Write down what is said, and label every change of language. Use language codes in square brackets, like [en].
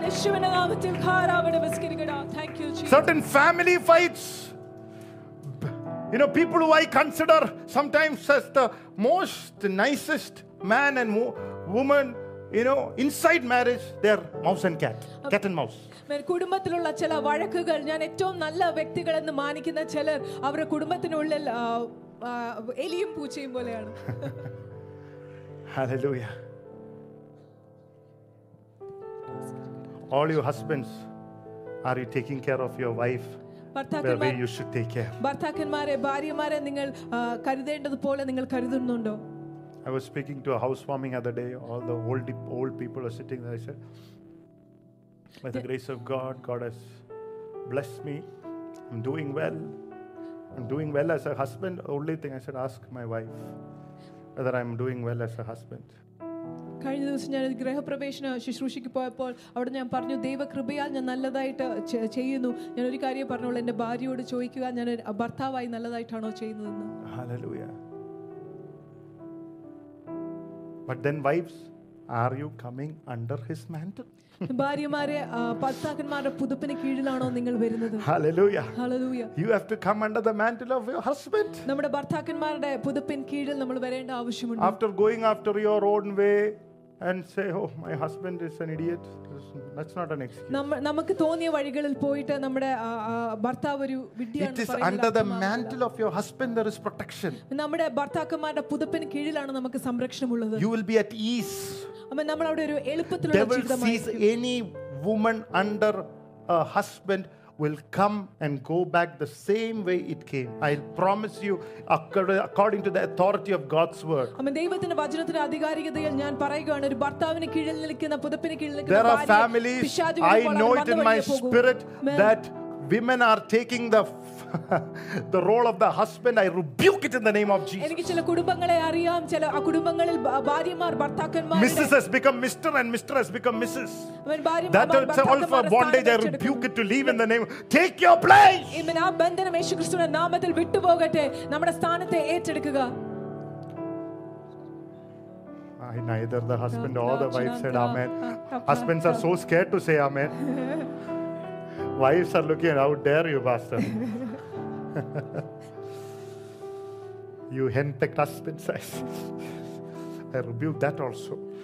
[ml] യേശുവിന്റെ നാമത്തിൽ ഖാരാബ നമസ്കരിക്കട. [en] Thank you Jesus. Certain family fights, You know, people who I consider sometimes as the most nicest man and woman, you know, inside marriage, they're mouse and cat, cat and mouse. [ml] കുടുംബത്തിലുള്ള ചില വഴക്കുകൾ ഞാൻ ഏറ്റവും നല്ല വ്യക്തികൾ എന്ന് മാനിക്കുന്ന ചിലർ അവരുടെ കുടുംബത്തിനുള്ളിൽ എലിയും പൂച്ചയും പോലെയാണ്. [en] Hallelujah. All you husbands, are you taking care of your wife the way you should take care? [ml] ഭർത്താക്കന്മാരെ ഭാര്യമാരെ നിങ്ങൾ കരുതേണ്ടതുപോലെ നിങ്ങൾ കരുതുന്നുണ്ടോ? [en] I was speaking to a housewarming other day. All the old people are sitting there. I said, by the grace of God, God has blessed me. I'm doing well. I'm doing well as a husband. Only thing I should ask my wife, whether I'm doing well as a husband. [ml] കഴിഞ്ഞ ദിവസം ഞാൻ ഗൃഹപ്രവേശന ശുശ്രൂഷയ്ക്ക് പോയപ്പോൾ അവിടെ ഞാൻ പറഞ്ഞു, ദൈവകൃപയാൽ ഞാൻ നല്ലതായിട്ട് ചെയ്യുന്നു. ഞാൻ ഒരു കാര്യം പറഞ്ഞോളൂ, എൻ്റെ ഭാര്യയോട് ചോദിക്കുക, ഞാൻ ഭർത്താവായി നല്ലതായിട്ടാണോ ചെയ്യുന്നതെന്ന്. [en] Hallelujah. But then wives, are you coming under his mantle? [ml] ഭാര്യമാരെ, ഭർത്താക്കന്മാരുടെ പുതുപ്പിന് കീഴിലാണോ നിങ്ങൾ വരുന്നത്? [en] Hallelujah. Hallelujah. You have to come under the mantle of your husband. [ml] നമ്മുടെ ഭർത്താക്കന്മാരുടെ പുതുപ്പിൻ കീഴിൽ നമ്മൾ വരേണ്ട ആവശ്യമുണ്ട്. [en] After going after your own way and say, oh, my husband is an idiot, that's not an excuse. [ml] നമുക്ക് തോന്നിയ വഴികളിൽ പോയിട്ട് നമ്മുടെ ഭർത്താവ് ഒരു വിഡ്ഢിയാണ്. [en] It is under the mantle of your husband there is protection. [ml] നമ്മുടെ ഭർത്താക്കന്മാരുടെ പുതുപ്പിന് കീഴിലാണ് നമുക്ക് സംരക്ഷണമുള്ളത്. [en] You will be at ease. Devil sees any woman under a husband will come and go back the same way it came. I'll promise you, according to the authority of God's word. [ml] അമ്മ ദൈവത്തിന്റെ വചനത്തിന്റെ അധികാരികതയിൽ ഞാൻ പറയുകയാണ്, ഒരു ഭർത്താവിന് കീഴിൽ നിൽക്കുന്ന പുതപ്പിന് കീഴിൽ നിൽക്കുന്ന ഭാര്യ, [en] there are families, I know it in my spirit that women are taking the role of the husband. I rebuke it in the name of Jesus. [ml] എനിക്ക് ചില കുടുംബങ്ങളെ അറിയാം, ചില കുടുംബങ്ങളിൽ ഭാര്യമാർ ഭർത്താക്കന്മാർ, [en] Mrs has become Mr and Mr has become Mrs. That's all for bondage. I rebuke it to leave in the name. Take your place. [ml] ഇന്ന് ആ ബന്ധനം യേശുക്രിസ്തുവിന്റെ നാമത്തിൽ വിട്ടുപോകട്ടെ. നമ്മുടെ സ്ഥാനത്തെ ഏറ്റെടുക്കുക. [en] I neither the husband or the wife said amen. Husbands are so scared to say amen. Wives are looking at, how dare you, pastor. You henpecked husband's eyes. I rebuke that also.